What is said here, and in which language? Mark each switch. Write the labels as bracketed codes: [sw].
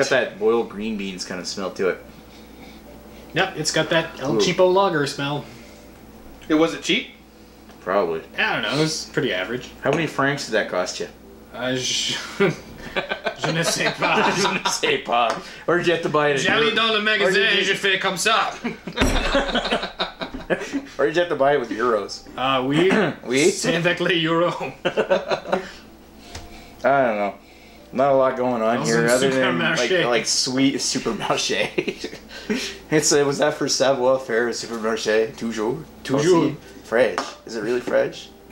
[en] It's got that boiled green beans kind of smell to it. Yep, it's got that El Cheapo lager smell. Was it cheap? Probably. I don't know, it was pretty average. How many francs did that cost you? [fr] Je ne sais pas. Je ne sais pas. [en] Or did you have to buy it again? [fr] J'allais dans le magasin, je fais comme ça. [en] Or did you have to buy it with euros? [fr] Oui. C'est avec les euros. [en] I don't know. Not a lot going on here other than like sweet supermarché. was that for savoir faire supermarché? Toujours. Fresh. Is it really fresh?